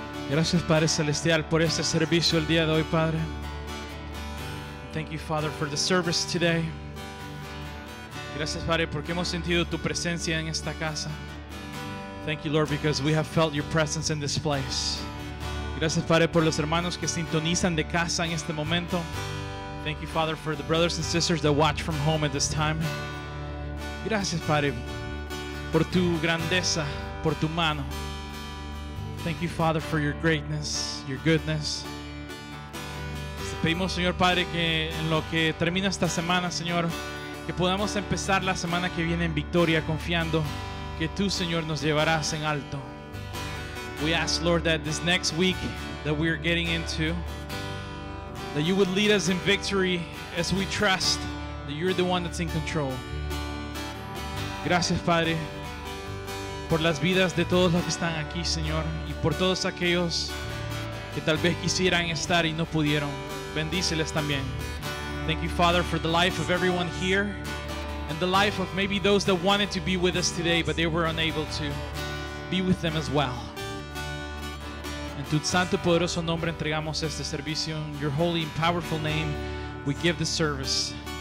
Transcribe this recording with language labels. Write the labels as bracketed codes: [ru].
[es] Gracias, Padre Celestial, por este servicio el día de hoy, Padre. [en] Thank you, Father, for the service today. [es] Gracias, Padre, porque hemos sentido tu presencia en esta casa. [en] Thank you, Lord, because we have felt your presence in this place. [es] Gracias, Padre, por los hermanos que sintonizan de casa en este momento. [en] Thank you, Father, for the brothers and sisters that watch from home at this time. [es] Gracias, Padre, por tu grandeza, por tu mano. [en] Thank you, Father, for your greatness, your goodness. [es] Te pedimos, Señor Padre, que en lo que termina esta semana, Señor, que podamos empezar la semana que viene en victoria, confiando que tú, Señor, nos llevarás en alto. [en] We ask, Lord, that this next week that we are getting into, that you would lead us in victory as we trust that you're the one that's in control. [es] Gracias, Padre, por las vidas de todos los que están aquí, Señor, y por todos aquellos que tal vez quisieran estar y no pudieron. Bendíceles también. [en] Thank you, Father, for the life of everyone here and the life of maybe those that wanted to be with us today but they were unable to. Be with them as well. [es] En tu santo poderoso nombre entregamos este servicio. [en] In your holy and powerful name, we give the service.